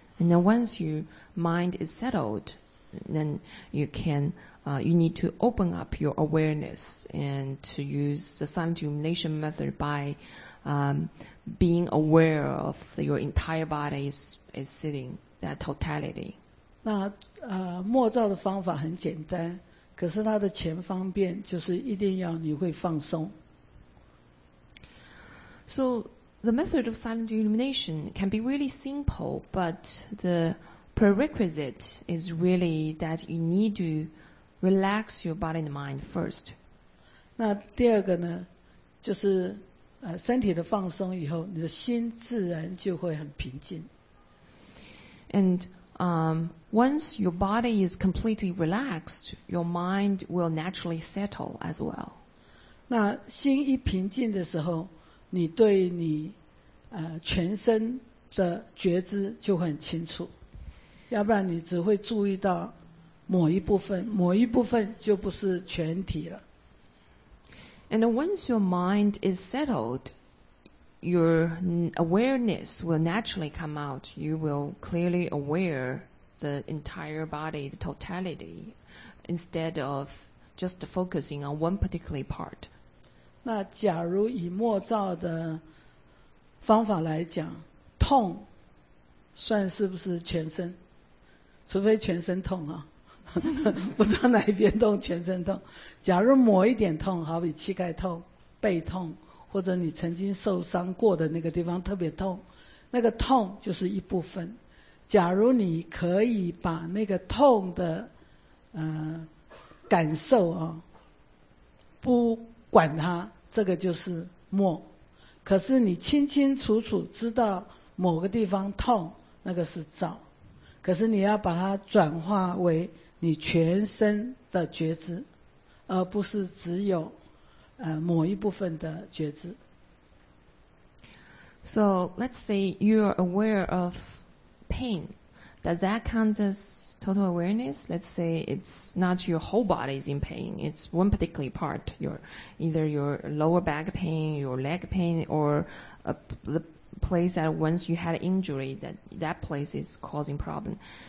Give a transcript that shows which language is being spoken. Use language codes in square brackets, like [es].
[en] And then once your mind is settled, then you can, you need to open up your awareness and to use the silent rumination method by being aware of your entire body is sitting, that totality. [zh] 那默照的方法很简单。可是它的前方便就是一定要你会放松。 [en] So the method of silent rumination can be really simple, but the prerequisite is really that you need to relax your body and mind first. [zh] 那第二个呢，就是身体的放松以后，你的心自然就会很平静。 [en] And once your body is completely relaxed, your mind will naturally settle as well. [zh] 那心一平静的时候，你对你全身的觉知就很清楚，要不然你只会注意到某一部分，某一部分就不是全体了。 [en] And once your mind is settled, your awareness will naturally come out. You will clearly aware the entire body, the totality, instead of just focusing on one particular part. [zh] 那假如以默照的方法来讲，痛算是不是全身？除非全身痛啊，不知道哪一边痛，全身痛。假如某一点痛，好比膝盖痛、背痛，或者你曾经受伤过的那个地方特别痛，那个痛就是一部分。假如你可以把那个痛的感受啊，不管它，这个就是默。可是你清清楚楚知道某个地方痛，那个是躁，可是你要把它转化为你全身的觉知，而不是只有某一部分的觉知。 [en] So let's say you are aware of pain. Does that count as total awareness? Let's say it's not your whole body is in pain. It's one particular part. Either your lower back pain, your leg pain, or the place that once you had injury, that place is causing problem.